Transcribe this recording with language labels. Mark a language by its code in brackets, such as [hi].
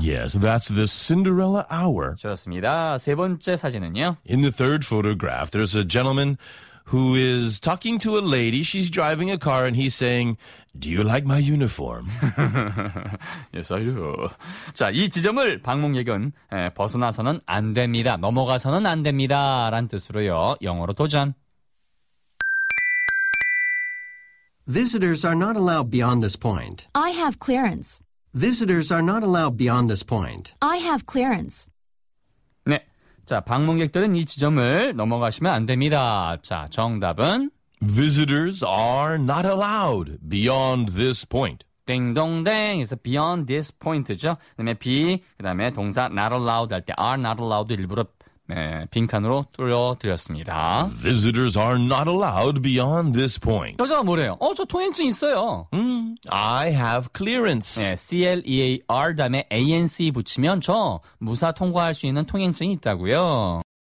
[en] Yes, that's the Cinderella hour. [ko] 좋습니다. 세 번째 사진은요. [en] In the third photograph, there's a gentleman who is talking to a lady. She's driving a car and he's saying, Do you like my uniform? Yes, I do. [ko] 자, 이 지점을 방문객은 벗어나서는 안 됩니다. 넘어가서는 안 됩니다. 라는 뜻으로요. 영어로 도전. [en] Visitors are not allowed beyond this point. I have clearance. Visitors are not allowed beyond this point. I have clearance. [ko] 네. 자, 방문객들은 이 지점을 넘어가시면 안 됩니다. 자, 정답은? [en] Visitors are not allowed beyond this point. [ko] 띵동댕 [en] is beyond this point죠. [ko] 그 다음에 be, 그 다음에 동사 not allowed 할 때 [en] are not allowed [ko] 일부러 네, 빈칸으로 뚫려드렸습니다. [en] Visitors are not allowed beyond this point. [ko] 여자가 뭐래요? 어, 저 통행증 있어요. [en] I have clearance. [ko] 네, C-L-E-A-R 다음에 A-N-C 붙이면 저 무사 통과할 수 있는 통행증이 있다고요.